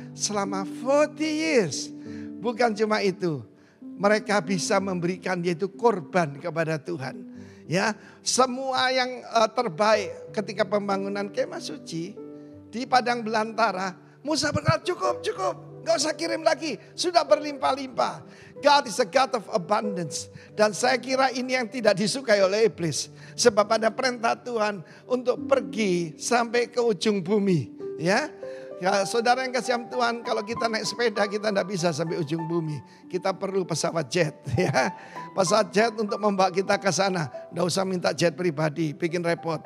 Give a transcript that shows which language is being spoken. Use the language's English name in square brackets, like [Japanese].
[Indonesian] Selama 40 years. Bukan cuma itu. Mereka bisa memberikan yaitu korban kepada Tuhan. Ya, semua yang terbaik ketika pembangunan kemah suci di padang belantara, Musa berkata cukup, gak usah kirim lagi, sudah berlimpah-limpah. [English] God is a God of abundance. [Indonesian] Dan saya kira ini yang tidak disukai oleh iblis, sebab ada perintah Tuhan untuk pergi sampai ke ujung bumi. Ya, ya saudara yang kasih Tuhan, kalau kita naik sepeda kita gak bisa sampai ujung bumi, kita perlu pesawat jet. Ya, pesawat jet untuk membawa kita ke sana. Gak usah minta jet pribadi, bikin repot.